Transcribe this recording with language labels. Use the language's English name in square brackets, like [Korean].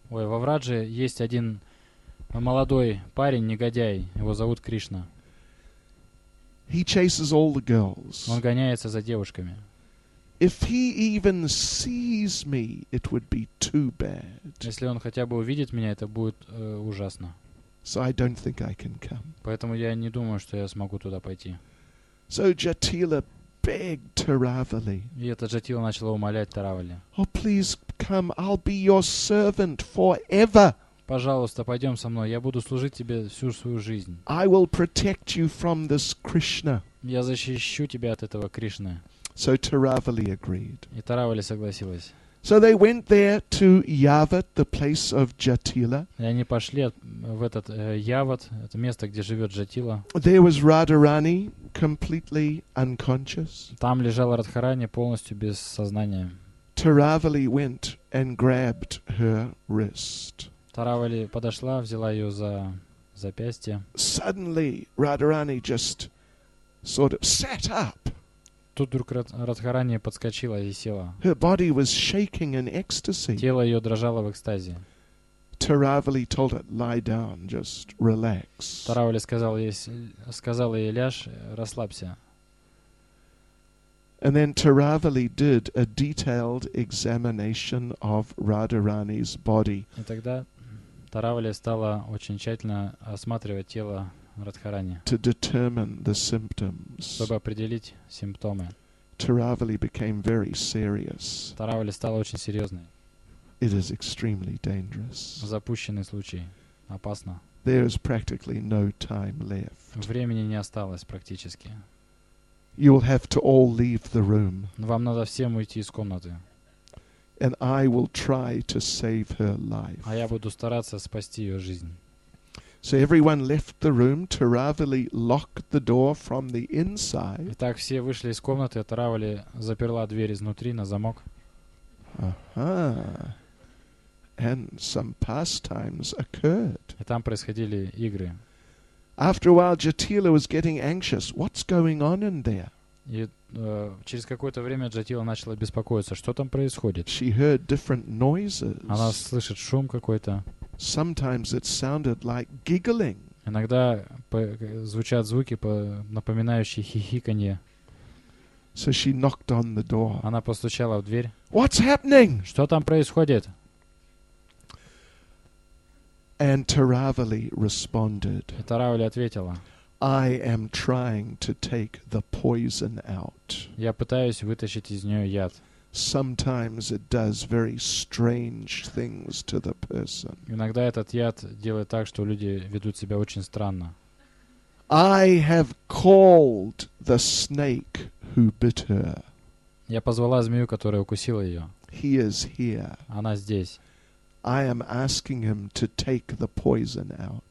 [Russian] Ой, во Врадже есть один молодой парень, негодяй. Его зовут Кришна. [English] He chases all the girls. [Russian] Он гоняется за девушками. [English] If he even sees me, it would be too bad. [Russian] Если он хотя бы увидит меня, это будет ужасно. [English] So I don't think I can come. [Russian] Поэтому я не думаю, что я смогу туда пойти. [English] So Jatila begged Taravali. [Russian] И эта Джатила начала умолять Таравали. [English] Oh, please come. I'll be your servant forever. [Russian] Пожалуйста, пойдем со мной. Я буду служить тебе всю свою жизнь. [English] I will protect you from this Krishna. [Russian] Я защищу тебя от этого Кришны. [English] So Taravali agreed. [Russian] И Таравали согласилась. [English] So they went there to Yavat, the place of Jatila. [Russian] И они пошли в этот Yavat, это место, где живет Джатила. [English] There was Radharani completely unconscious. [Russian] Там лежала Радхарани полностью без сознания. [English] Taravali went and grabbed her wrist. [Russian] Таравали подошла, взяла ее за запястье. [English] Suddenly, Radharani just sort of sat up. [Russian] Тут вдруг Радхарани подскочила и села. [English] Her body was shaking in ecstasy. [Russian] Тело ее дрожало в экстазе. [English] Taravali told her, "Lie down, just relax." [Russian] Таравали сказал ей, ляжь, расслабься. [English] And then Taravali did a detailed examination of Radharani's body. [Russian] И тогда Таравали стала очень тщательно осматривать тело Радхарани. [English] To determine the symptoms. [Russian] Чтобы определить симптомы. [English] Taravali became very serious. [Russian] Таравали стала очень серьезной. [English] It is extremely dangerous. [Russian] Запущенный случай. Опасно. [English] There is practically no time left. [Russian] Времени не осталось практически. [English] You will have to all leave the room. [Russian] Вам надо всем уйти из комнаты. [English] And I will try to save her life. [Russian] А я буду стараться спасти ее жизнь. [English] So everyone left the room. Taravali locked the door from the inside. [Russian] Итак, все вышли из комнаты, а Таравали заперла дверь изнутри на замок. [English] Ага. And some pastimes occurred. [Russian] И там происходили игры. [English] After a while, Jatila was getting anxious. What's going on in there? [Russian] И через какое-то время Джатила начала беспокоиться, что там происходит. [English] She heard different noises. [Russian] Она слышит шум какой-то. [English] Sometimes it sounded like giggling. [Russian] Иногда звучат звуки, напоминающие хихиканье. [English] So she knocked on the door. [Russian] Она постучала в дверь. [English] What's happening? [Russian] Что там происходит? [English] And Taravali responded. [Russian] И Таравали ответила. [English] I am trying to take the poison out. [Russian] Я пытаюсь вытащить из неё яд. [English] Sometimes it does very strange things to the person. [Russian] Иногда этот яд делает так, что люди ведут себя очень странно. [English] I have called the snake who bit her. [Russian] Я позвала змею, которая укусила её. [English] He is here. [Russian] Она здесь. [English] I am asking him to take the poison out.